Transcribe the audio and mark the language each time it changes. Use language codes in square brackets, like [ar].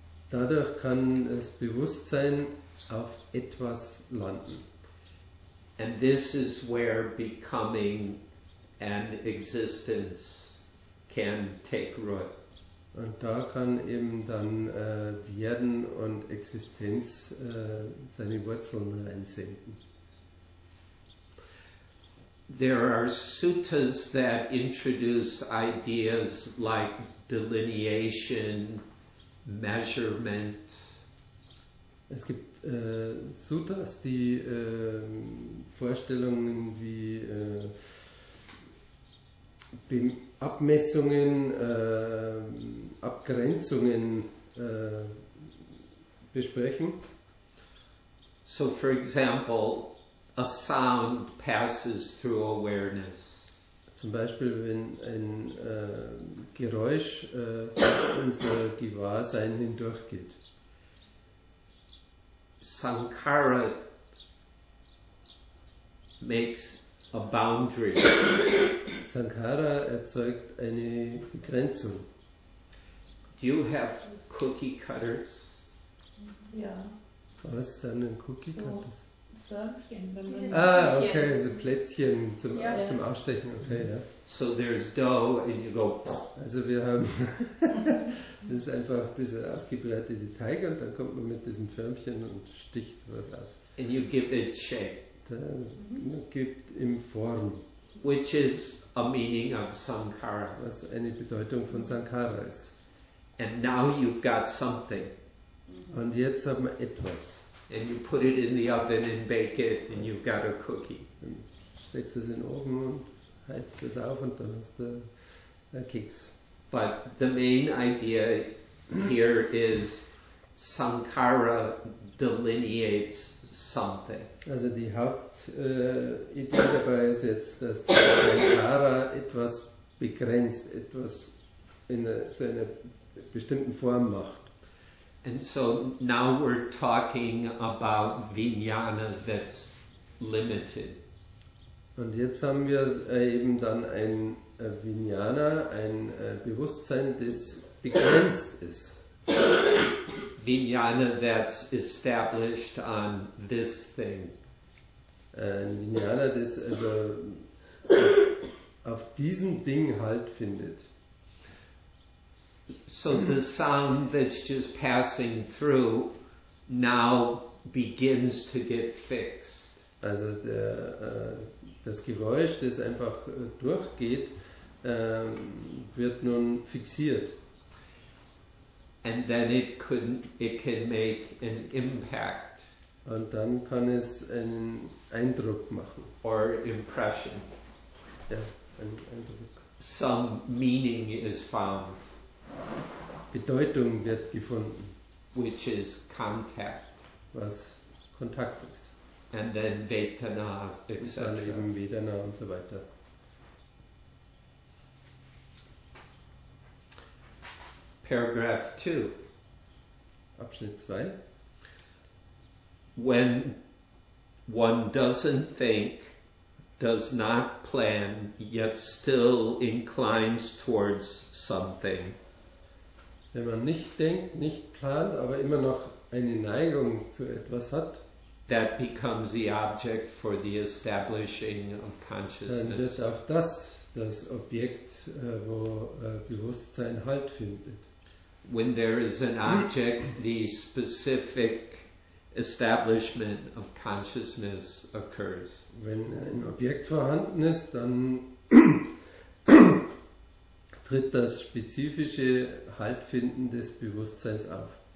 [de] Dadurch kann das Bewusstsein auf etwas landen. [en] And this is where becoming and existence can take root. [de] Und da kann eben dann Werden und Existenz seine Wurzeln reinsenden. [en] There are suttas that introduce ideas like delineation, measurement. [de] Es gibt Suttas, die Vorstellungen wie Abmessungen, Abgrenzungen besprechen. [en] So for example, a sound passes through awareness. [de] Zum Beispiel, wenn ein Geräusch unser Gewahrsein hindurchgeht. [en] Sankara makes a boundary. [de] Sankara erzeugt eine Begrenzung. [en] Do you have cookie cutters? [de] Ja. Was sind denn Cookie Cutters? So. Förmchen, wenn man okay, so Plätzchen zum, ja, zum Ausstechen, okay, ja. [en] So there's dough and you go. [de] Also wir haben, das ist einfach dieser ausgebreitete Teig und dann kommt man mit diesem Förmchen und sticht was aus. [en] And you give it shape. [de] Da, man gibt ihm Form. [en] Which is a meaning of Sankara. [de] Was eine Bedeutung von Sankara ist. [en] And now you've got something. [de] Und jetzt hat man etwas. [en] And you put it in the oven and bake it, and you've got a cookie. [de] Dann steckst du es in den Ofen und heizt es auf und dann hast du Keks. [en] But the main idea here is Sankara delineates something. [de] Also die Hauptidee dabei ist jetzt, dass Sankara etwas begrenzt, etwas in zu einer bestimmten Form macht. [en] And so now we're talking about vijnana that's limited. [de] Und jetzt haben wir eben dann ein vijnana, ein Bewusstsein, das begrenzt ist. [en] Vijnana that's established on this thing. [de] Ein vijnana, das also auf diesem Ding Halt findet. [en] So the sound that's just passing through now begins to get fixed. [de] Also der, das Geräusch, das einfach durchgeht, wird nun fixiert. [en] And then it can make an impact. [de] Und dann kann es einen Eindruck machen. [en] Or impression. [de] Ja, einen Eindruck. [en] Some meaning is found. [de] Bedeutung wird gefunden, [en] which is contact, [de] was Kontakt ist, [en] and then Vedana, etc. [de] Und dann eben Vedana und so weiter. [en] Paragraph 2. [de] Abschnitt 2. [en] When one doesn't think, does not plan, yet still inclines towards something. [de] Wenn man nicht denkt, nicht plant, aber immer noch eine Neigung zu etwas hat, [en] that becomes the object for the establishing of consciousness. [de] Dann wird auch das das Objekt, wo Bewusstsein Halt findet. [en] When there is an object, the specific establishment of consciousness occurs. [de] Wenn ein Objekt vorhanden ist, dann tritt das spezifische Haltfinden des Bewusstseins auf.